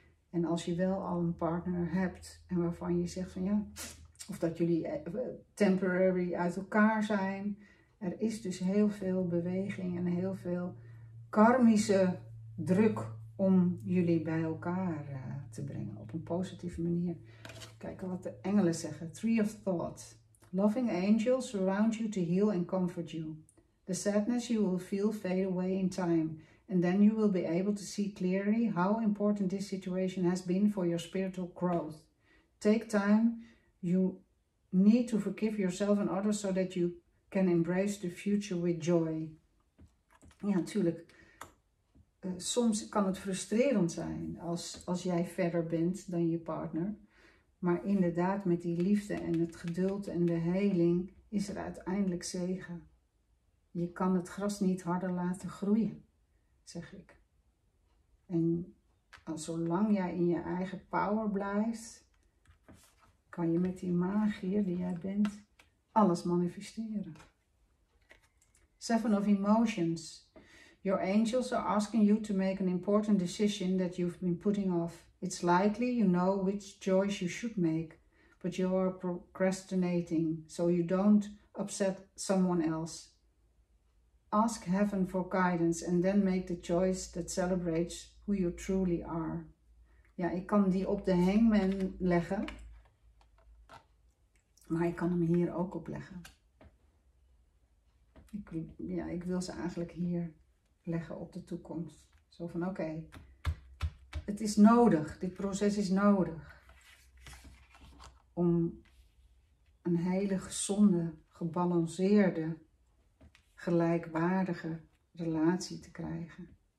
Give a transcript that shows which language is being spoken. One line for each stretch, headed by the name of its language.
Dutch: En als je wel al een partner hebt en waarvan je zegt van ja, of dat jullie temporary uit elkaar zijn. Er is dus heel veel beweging en heel veel karmische druk om jullie bij elkaar te brengen op een positieve manier. Kijken wat de engelen zeggen.
English: Three of Thought. Loving angels surround you to heal and comfort you. The sadness you will feel fade away in time. And then you will be able to see clearly how important this situation has been for your spiritual growth. Take time. You need to forgive yourself and others so that you can embrace the future with joy.
Dutch: Ja, natuurlijk. Soms kan het frustrerend zijn als jij verder bent dan je partner. Maar inderdaad, met die liefde en het geduld en de heling is er uiteindelijk zegen. Je kan het gras niet harder laten groeien, zeg ik. En zolang jij in je eigen power blijft, kan je met die magier die jij bent, alles manifesteren.
English: Seven of Emotions. Your angels are asking you to make an important decision that you've been putting off. It's likely you know which choice you should make, but you are procrastinating, so you don't upset someone else. Ask heaven for guidance and then make the choice that celebrates who you truly are.
Dutch: Ja, ik kan die op de hangman leggen, maar ik kan hem hier ook op leggen. Ik wil ze eigenlijk hier leggen op de toekomst. Zo van, oké. Het is nodig, dit proces is nodig om een hele gezonde, gebalanceerde, gelijkwaardige relatie te krijgen.